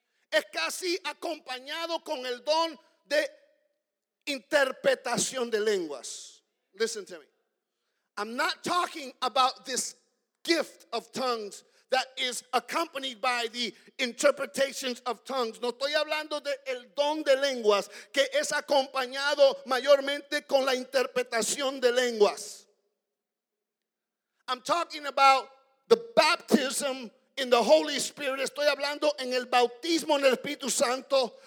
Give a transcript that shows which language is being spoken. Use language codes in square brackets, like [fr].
[es] Es casi acompañado con el don de interpretación de lenguas. [en] Listen to me. I'm not talking about this gift of tongues that is accompanied by the interpretations of tongues. [es] No estoy hablando de el don de lenguas que es acompañado mayormente con la interpretación de lenguas. [en] I'm talking about the baptism in the Holy Spirit. [es] Estoy hablando en el bautismo en el Espíritu Santo.